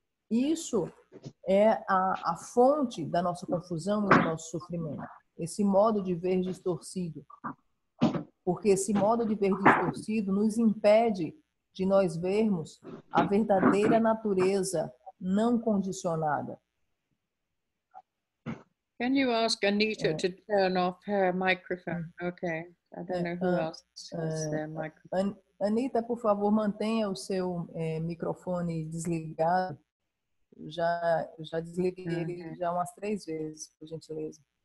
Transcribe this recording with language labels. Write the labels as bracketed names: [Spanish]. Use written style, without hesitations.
[Portuguese] Isso é a fonte da nossa confusão e do nosso sofrimento. Esse modo de ver distorcido. Porque esse modo de ver distorcido nos impede de nós vermos a verdadeira natureza não condicionada. [English] Can you ask Anita to turn off her microphone? Okay. I don't know who else has their microphone. [Portuguese] Anita, por favor, mantenha o seu microfone desligado. Já desliguei ele já umas três vezes, por gentileza.